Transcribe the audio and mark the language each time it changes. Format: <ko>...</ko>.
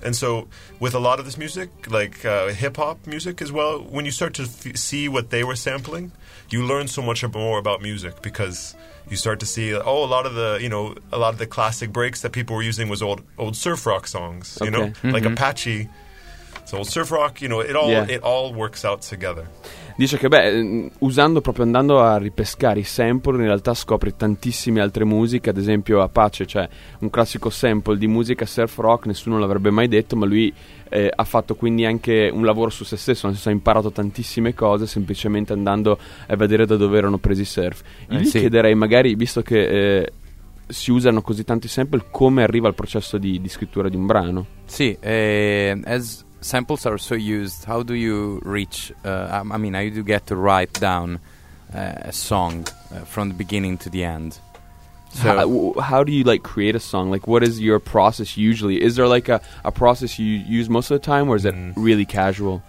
<en>And so, with a lot of this music, like hip-hop music as well, when you start to see what they were sampling, you learn so much more about music because you start to see, oh, a lot of the, you know, a lot of the classic breaks that people were using was old surf rock songs, you know? Mm-hmm. Like Apache... So surf rock, you know, it all works out together.</en> <it>Dice che beh, usando, proprio andando a ripescare i sample, in realtà scopri tantissime altre musiche, ad esempio Apache, cioè un classico sample di musica surf rock, nessuno l'avrebbe mai detto, ma lui ha fatto quindi anche un lavoro su se stesso, nel senso ha imparato tantissime cose semplicemente andando a vedere da dove erano presi i surf. Io gli chiederei magari, visto che si usano così tanti sample, come arriva al processo di scrittura di un brano?</it> <en>Sì, samples are so used. How do you reach? I mean, how do you get to write down a song from the beginning to the end? So how do you like create a song? Like, what is your process usually? Is there like a process you use most of the time, or is it really casual?</en>